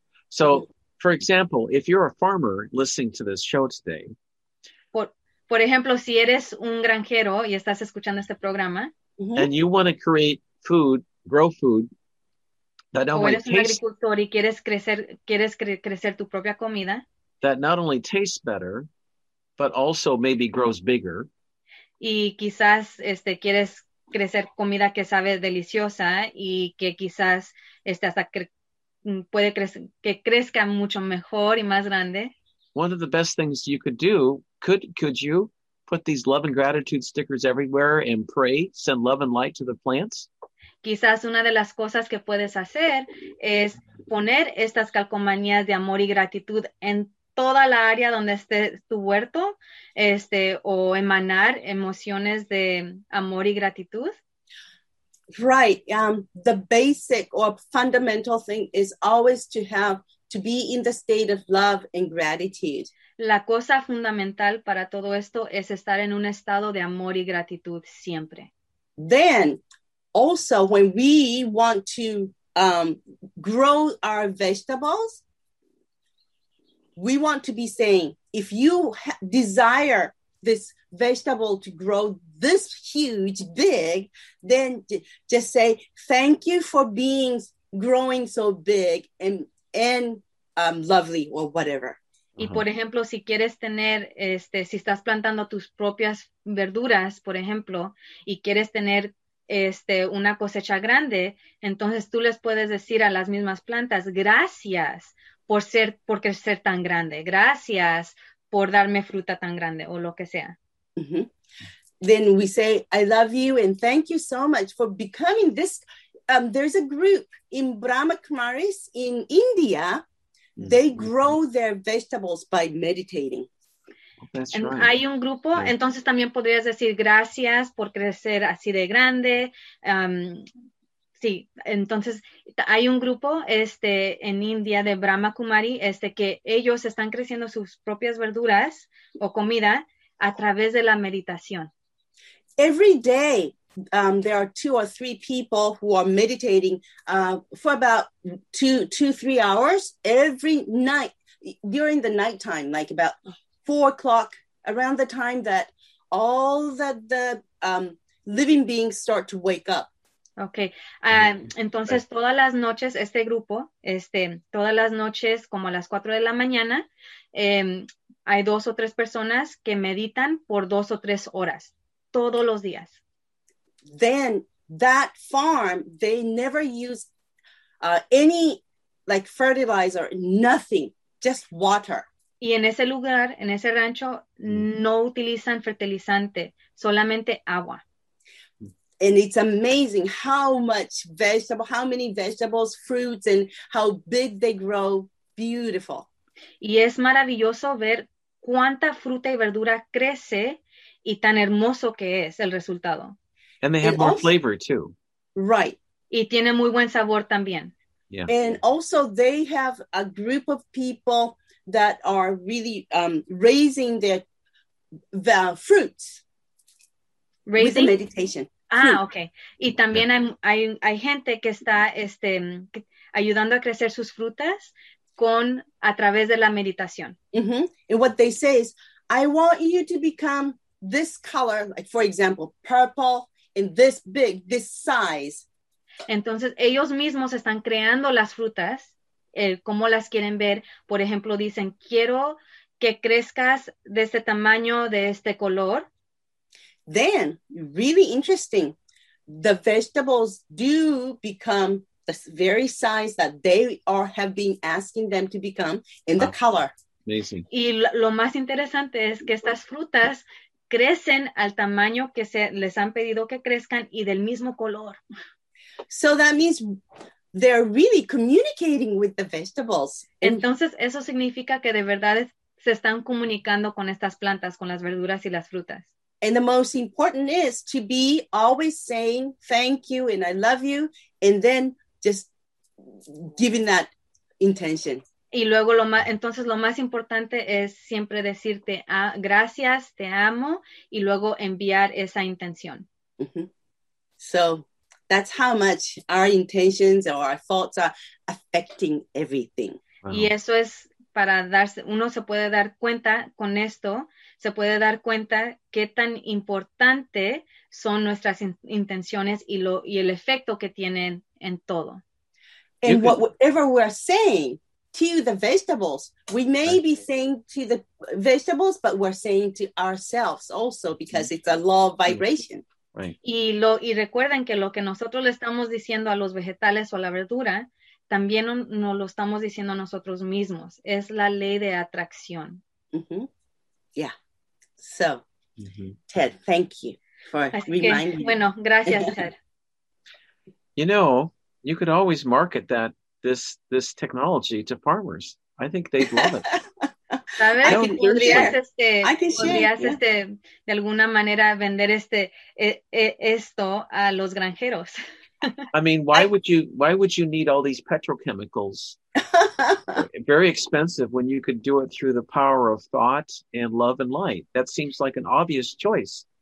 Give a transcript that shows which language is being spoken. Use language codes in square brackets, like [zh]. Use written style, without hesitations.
[en] So, for example, if you're a farmer listening to this show today. [es] Por ejemplo, si eres un granjero y estás escuchando este programa. [en] And you want to create food, grow food. That not [es] o eres un agricultor y quieres crecer tu propia comida. [en] That not only tastes better, but also maybe grows bigger. [es] Y quizás quieres crecer comida que sabe deliciosa y que quizás este hasta puede que crezca mucho mejor y más grande. [en] One of the best things you could do, could you put these love and gratitude stickers everywhere and pray, send love and light to the plants? [es] Quizás una de las cosas que puedes hacer es poner estas calcomanías de amor y gratitud en toda la área donde esté tu huerto, este, o emanar emociones de amor y gratitud. [en] Right. The basic or fundamental thing is always to have to be in the state of love and gratitude. [es] La cosa fundamental para todo esto es estar en un estado de amor y gratitud siempre. [en] Then, also, when we want to grow our vegetables, we want to be saying, if you desire this vegetable to grow this huge, big, then just say, thank you for being growing so big and lovely or whatever. [es] Y por ejemplo, si quieres tener, este, si estás plantando tus propias verduras, por ejemplo, y quieres tener este, una cosecha grande, entonces tú les puedes decir a las mismas plantas, gracias por crecer tan grande, gracias por darme fruta tan grande, o lo que sea. Mm-hmm. [en] Then we say, I love you and thank you so much for becoming this. There's a group in Brahma Kumaris in India. They grow their vegetables by meditating. That's right. [es] Hay un grupo, yeah. Entonces también podrías decir gracias por crecer así de grande. Sí, entonces hay un grupo este, en India de Brahma Kumari este, que ellos están creciendo sus propias verduras o comida a través de la meditación. [en] Every day there are two or three people who are meditating for about two, three hours every night during the nighttime, like about 4 o'clock, around the time that all the living beings start to wake up. Okay. [es] Entonces, todas las noches, este grupo, este, todas las noches, como a las 4 de la mañana, hay dos o tres personas que meditan por 2 o 3 horas, todos los días. [en] Then that farm, they never use any like fertilizer, nothing, just water. [es] Y en ese lugar, en ese rancho, no utilizan fertilizante, solamente agua. [en] And it's amazing how much vegetable, how many vegetables, fruits, and how big they grow. Beautiful. [es] Y es maravilloso ver cuánta fruta y verdura crece y tan hermoso que es el resultado. [en] And they have more flavor too. Right. [es] Y tiene muy buen sabor también. [en] Yeah. And also they have a group of people that are really raising the fruits. Raising? With the meditation. Ah, okay. [es] Y también hay gente que está este, ayudando a crecer sus frutas con, a través de la meditación. Mm-hmm. [en] And what they say is, I want you to become this color, like for example, purple, and this big, this size. [es] Entonces, ellos mismos están creando las frutas, como las quieren ver. Por ejemplo, dicen, quiero que crezcas de este tamaño, de este color. [en] Then, really interesting, the vegetables do become the very size that they are have been asking them to become in the color. Amazing. [es] Y lo más interesante es que estas frutas crecen al tamaño que se les han pedido que crezcan y del mismo color. [en] So that means they're really communicating with the vegetables. [es] Entonces, eso significa que de verdad se están comunicando con estas plantas, con las verduras y las frutas. [en] And the most important is to be always saying thank you and I love you and then just giving that intention. [es] Y luego lo más, entonces lo más importante es siempre decirte gracias, te amo y luego enviar esa intención. Mm-hmm. [en] So that's how much our intentions or our thoughts are affecting everything. Wow. [es] Y eso es para darse, uno se puede dar cuenta con esto, se puede dar cuenta qué tan importante son nuestras intenciones y lo y el efecto que tienen en todo. [en] And whatever we're saying to the vegetables, we may be saying to the vegetables, but we're saying to ourselves also because it's a law of vibration. Right. [es] Y recuerden que lo que nosotros le estamos diciendo a los vegetales o a la verdura, también no lo estamos diciendo a nosotros mismos. Es la ley de atracción. Mm-hmm. Yeah. So, mm-hmm. [en] Ted, thank you for [es] Así [en] reminding [es] que, bueno, gracias, Ted. [en] You know, you could always market that this technology to farmers. I think they'd love it. [es] ¿Sabes? [en] I can [es] podrías, [en] share. [es] Este, [en] I can share. [es] Podrías [en] yeah. [es] este, de alguna manera vender este esto a los granjeros. [en] I mean, why would you need all these petrochemicals? Very expensive when you could do it through the power of thought and love and light. That seems like an obvious choice.